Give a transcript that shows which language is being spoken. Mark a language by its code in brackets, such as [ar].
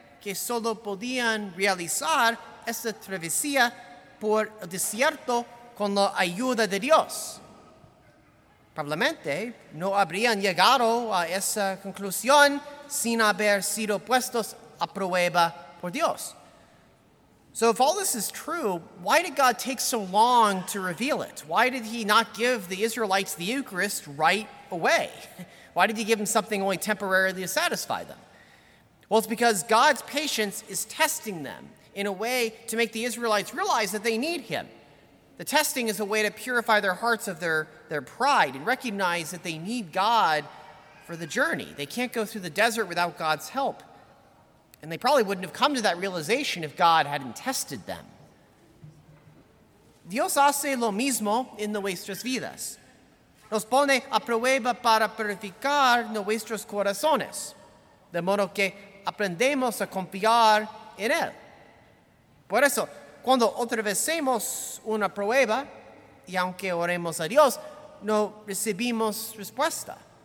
[es] que solo podían realizar esta travesía por el desierto con la ayuda de Dios. Probablemente no habrían llegado a esa conclusión sin haber sido puestos a prueba por Dios. [en] So if all this is true, why did God take so long to reveal it? Why did he not give the Israelites the Eucharist right away? Why did he give them something only temporarily to satisfy them? Well, it's because God's patience is testing them in a way to make the Israelites realize that they need him. The testing is a way to purify their hearts of their pride and recognize that they need God for the journey. They can't go through the desert without God's help. And they probably wouldn't have come to that realization if God hadn't tested them. [es] Dios hace lo mismo en nuestras vidas. Nos pone a prueba para purificar nuestros corazones, de modo que aprendemos a confiar en Él. Por eso, cuando atravesemos una prueba, y aunque oremos a Dios, no recibimos respuesta.